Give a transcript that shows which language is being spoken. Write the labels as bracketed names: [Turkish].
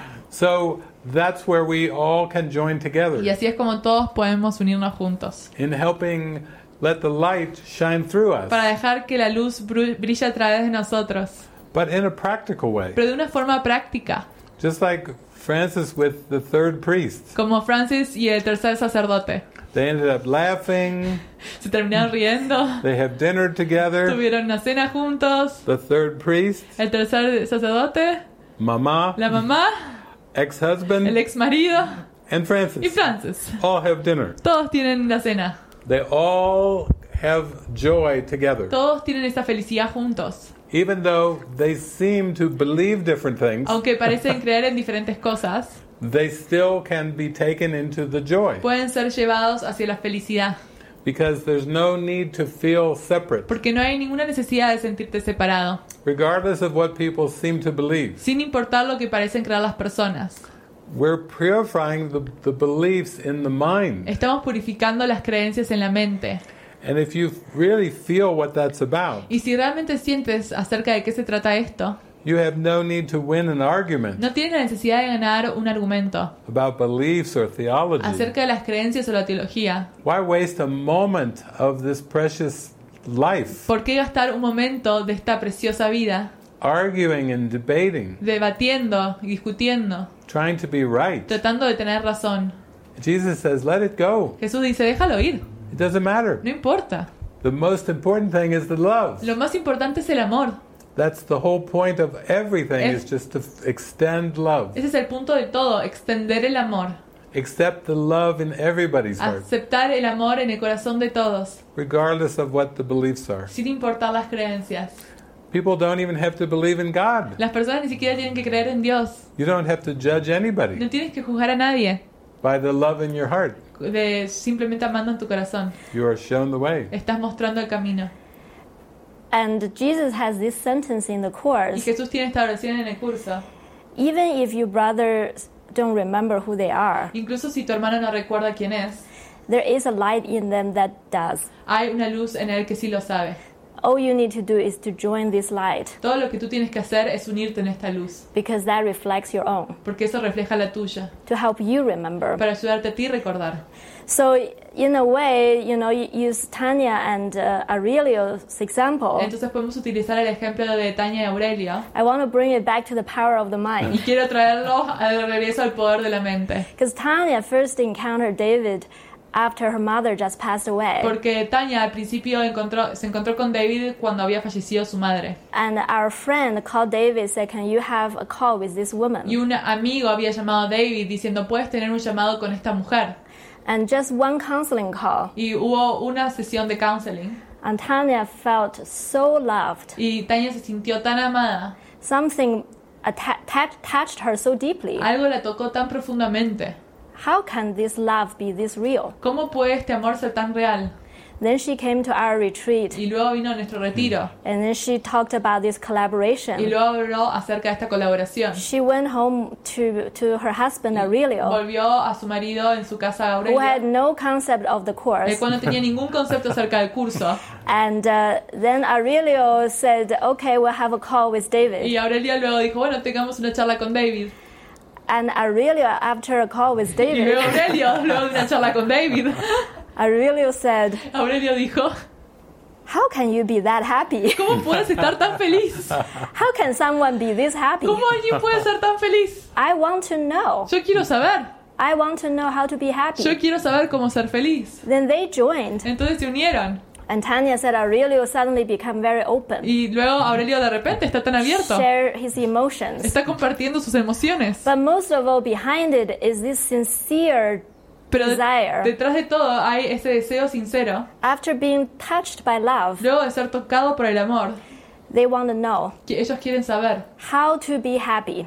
[English] So that's where we all can join together. [Spanish] Y así es como todos podemos unirnos juntos. [English] In helping let the light shine through us. [Spanish] Para dejar que la luz brille a través de nosotros. [English] But in a practical way. [Spanish] Pero de una forma práctica. [English] Just like Francis with the third priest. [Spanish] Como Francis y el tercer sacerdote. [English] They ended up laughing. [Spanish] Se terminaron riendo. [English] They have dinner together. [Spanish] Tuvieron una cena juntos. [English] The third priest. [Spanish] El tercer sacerdote. [English] Mamá. [Spanish] La mamá. [English] Ex-husband, [Spanish] el ex marido, [English] and Francis. [Spanish] Y Francis. [English] All have dinner. [Spanish] Todos tienen la cena. [English] They all have joy together. [Spanish] Todos tienen esa felicidad juntos. [English] Even though they seem to believe different things, [Spanish] aunque parecen creer en diferentes cosas, [English] they still can be taken into the joy. [Spanish] Pueden ser llevados hacia la felicidad. [English] Because there's no need to feel separate. [Spanish] Porque no hay ninguna necesidad de sentirte separado. [English] Regardless of what people seem to believe. [Spanish] Sin importar lo que parecen creer las personas. [English] We're purifying the beliefs in the mind. [Spanish] Estamos purificando las creencias en la mente. [English] And if you really feel what that's about. [Spanish] Y si realmente sientes acerca de qué se trata esto. [English] You have no need to win an argument. [Spanish] No tienes necesidad de ganar un argumento. [English] About beliefs or theology. [Spanish] Acerca de las creencias o la teología. [English] Why waste a moment of this precious life? [Spanish] ¿Por qué gastar un momento de esta preciosa vida? [English] Arguing and debating. [Spanish] Debatiendo y discutiendo. [English] Trying to be right. [Spanish] Tratando de tener razón. [English] Jesus says, "Let it go." [Spanish] Jesús dice, déjalo ir. [English] It doesn't matter. [Spanish] No importa. [English] The most important thing is the love. [Spanish] Lo más importante es el amor. [English] That's the whole point of everything, is just to extend love. [Spanish] Ese es el punto de todo, extender el amor. [English] Accept the love in everybody's heart. [Spanish] Aceptar el amor en el corazón de todos. [English] Regardless of what the beliefs are. [Spanish] Sin importar las creencias. [English] People don't even have to believe in God. [Spanish] Las personas ni siquiera tienen que creer en Dios. [English] You don't have to judge anybody. [Spanish] No tienes que juzgar a nadie. [English] By the love in your heart. [Spanish] De simplemente amando en tu corazón. [English] You are shown the way. [Spanish] Estás mostrando el camino. [English] And Jesus has this sentence in the course. [Spanish] Y Jesús tiene esta oración en el curso. [English] Even if your brother don't remember who they are. [Spanish] Incluso si tu hermano no recuerda quién es. [English] There is a light in them that does. [Spanish] Hay una luz en él que sí lo sabe. [English] All you need to do is to join this light. [Spanish] Todo lo que tú tienes que hacer es unirte en esta luz. [English] Because that reflects your own. [Spanish] Porque eso refleja la tuya. [English] To help you remember. [Spanish] Para ayudarte a ti recordar. [English] So in a way, you know, use Tania and Aurelio's example. [Spanish] Entonces podemos utilizar el ejemplo de Tania y Aurelio. [English] I want to bring it back to the power of the mind. [Spanish] Y quiero traerlo al regreso al poder de la mente. [English] Because Tania first encountered David after her mother just passed away. [Spanish] Porque Tania al principio se encontró con David cuando había fallecido su madre. [English] And our friend called David, said, "Can you have a call with this woman?" [Spanish] Y un amigo había llamado a David diciendo, "¿Puedes tener un llamado con esta mujer?" [English] And just one counseling call. [Spanish] Y hubo una sesión de counseling. [English] And Tania felt so loved. [Spanish] Y Tania se sintió tan amada. [English] Something touched her so deeply. [Spanish] Algo la tocó tan profundamente. [English] How can this love be this real? [Spanish] ¿Cómo puede este amor ser tan real? [English] Then she came to our retreat. [Spanish] Y luego vino a nuestro retiro. [English] And then she talked about this collaboration. [Spanish] Y luego habló acerca de esta colaboración. [English] She went home to her husband Aurelio. [Spanish] Volvió a su marido en su casa Aurelio. [English] Who had no concept of the course. [Spanish] El cual no tenía ningún concepto acerca del curso. [English] And then Aurelio said, "Okay, we'll have a call with David." [Spanish] Y Aurelio luego dijo, "Bueno, tengamos una charla con David." [English] And Aurelio, after a call with David, [Spanish] y Aurelio, luego de una charla con David, [English] Aurelio said, [Spanish] Aurelio dijo, [English] "How can you be that happy? [Spanish] ¿Cómo puedes estar tan feliz? [English] How can someone be this happy? [Spanish] ¿Cómo alguien puede ser tan feliz? [English] I want to know. [Spanish] Yo quiero saber. [English] I want to know how to be happy. [Spanish] Yo quiero saber cómo ser feliz." [English] Then they joined. [Spanish] Entonces se unieron. [English] And Tania said Aurelio suddenly became very open. [Spanish] Y luego Aurelio de repente está tan abierto. [English] Share his emotions. [Spanish] Está compartiendo sus emociones. [English] But most of all, behind it is this sincere [Spanish] Pero [English] desire. [Spanish] Detrás de todo hay ese deseo sincero. [English] After being touched by love. [Spanish] Luego de ser tocado por el amor. [English] They want to know. [Spanish] Que ellos quieren saber. [English] How to be happy.